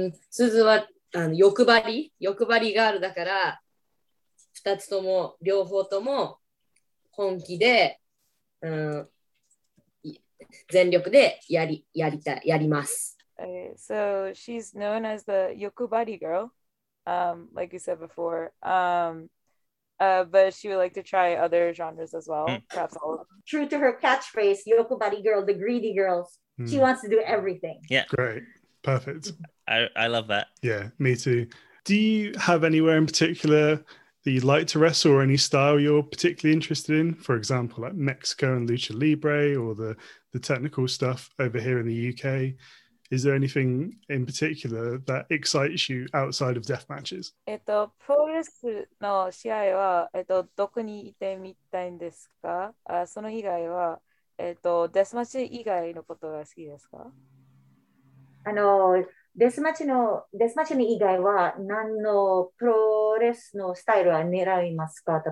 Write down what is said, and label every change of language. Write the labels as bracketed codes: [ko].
[ja] スズは欲張りガールだから、二つとも両方とも本気で、全力でやります。 [en] So she's known as the Yokubari girl, like you said before. But she would like to try other genres as well, perhaps all of them. True to her catchphrase, Yokubari girl, the greedy girl, she wants to do everything. Yeah. Great. Perfect. I love that. Yeah, me too. Do you have anywhere in particular that you'd like to wrestle or any style you're particularly interested in? For example, like Mexico and Lucha Libre or the technical stuff over here in the UK? Is there anything in particular that excites you outside of death matches? [ja] プロレスの試合は、どこにいてみたいんですか？その以外は、デスマッチ以外のことが好きですか？デスマッチの以外は、何のプロレスのスタイルは狙いますか？